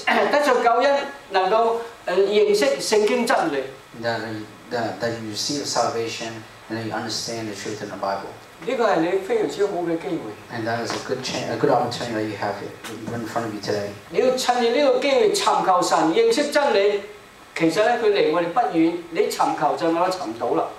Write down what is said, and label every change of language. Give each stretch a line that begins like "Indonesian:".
Cantonese: 得著救恩，能夠認識聖經真理。
English: That you receive salvation and you understand the truth in the Bible.
Cantonese: 呢個係你非常之好嘅機會。
English: And that is a good opportunity that you have in front of you today.
Cantonese: 你要趁住呢個機會尋求神，認識真理。其實咧，佢離我哋不遠，你尋求就有得尋到啦。